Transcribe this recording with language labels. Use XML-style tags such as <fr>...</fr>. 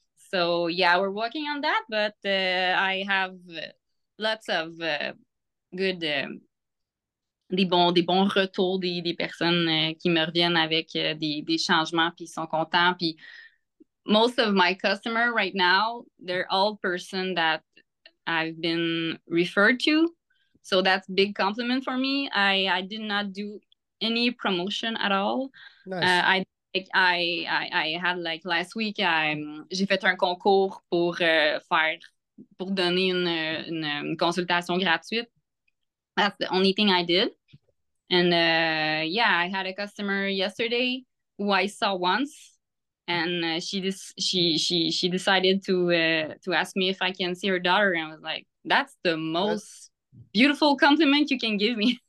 <en>So yeah, we're working on that, but I have lots of good</en> <fr>des bons retours des personnes qui me reviennent avec des changements, puis ils sont contents.</fr> <en>Puis most of my customer right now, they're all person that I've been referred to. So that's big compliment for me. I did not do any promotion at all. Nice. I had like last week,</en> <fr>j'ai fait un concours pour donner une consultation gratuite.</fr> <en>That's the only thing I did. And yeah, I had a customer yesterday who I saw once, and she decided to ask me if I can see her daughter, and I was like, that's the most beautiful compliment you can give me.</en>